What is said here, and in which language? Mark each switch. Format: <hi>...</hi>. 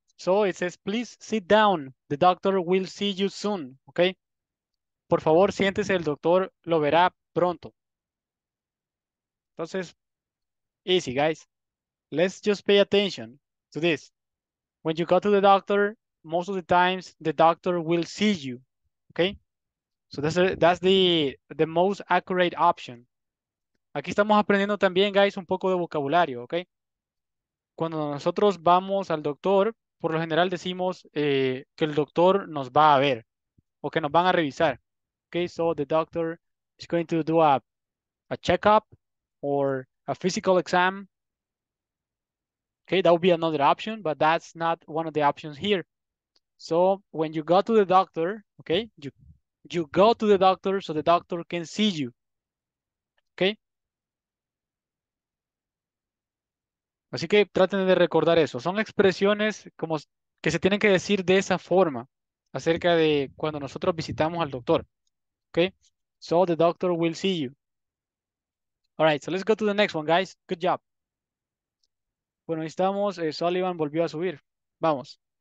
<en>So it says, please sit down, the doctor will see you soon, okay?</en> <es>Por favor, siéntese, el doctor lo verá pronto. Entonces,</es> <en>easy, guys. Let's just pay attention to this. When you go to the doctor, most of the times the doctor will see you. Okay? So that's the most accurate option.</en> <es>Aquí estamos aprendiendo también, guys, un poco de vocabulario. Okay? Cuando nosotros vamos al doctor, por lo general decimos que el doctor nos va a ver o que nos van a revisar.</es> <en>Okay? So the doctor is going to do a checkup or a physical exam. Okay, that would be another option, but that's not one of the options here. So when you go to the doctor, okay, you go to the doctor so the doctor can see you, okay?</en> <es>Así que traten de recordar eso. Son expresiones como que se tienen que decir de esa forma acerca de cuando nosotros visitamos al doctor, okay?</es> <en>So the doctor will see you. All right, so let's go to the next one, guys. Good job.</en> <es>Bueno, ahí estamos. Sullivan volvió a subir. Vamos.</es>